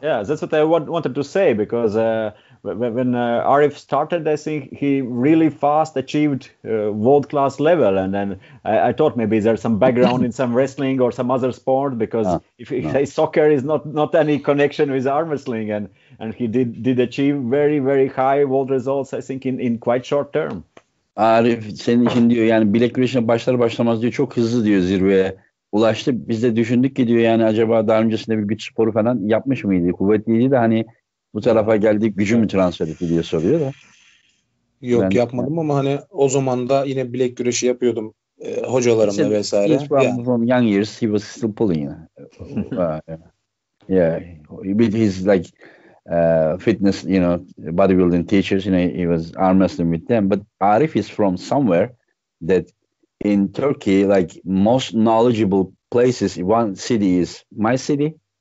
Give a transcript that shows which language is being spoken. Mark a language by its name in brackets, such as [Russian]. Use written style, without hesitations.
[English] Yeah, that's what I wanted to say, because when Arif started, I think he really fast achieved world-class level. And then I thought maybe there's some background in some wrestling or some other sport, because soccer is not any connection with arm wrestling. And he did achieve very, very high world results, I think, in quite short term. [Turkish] Arif, senin için diyor, yani bilek güreşine başlar başlamaz diyor, çok hızlı diyor zirveye ulaştı. Biz de düşündük ki diyor, yani acaba daha öncesinde bir güç sporu falan yapmış mıydı? Kuvvetliydi de hani... Bu tarafa geldi, gücü mü transfer etti diye soruyor da. Yok, ben yapmadım ama hani o zaman da yine bilek güreşi yapıyordum hocalarımla [English] he said, [Turkish] vesaire. [English] He's from, yeah. from young years, he was still pulling. yeah, with his like fitness, you know, bodybuilding teachers, you know, he was arm wrestling with them. But Arif is from somewhere that in Turkey, like most knowledgeable places, one city is my city.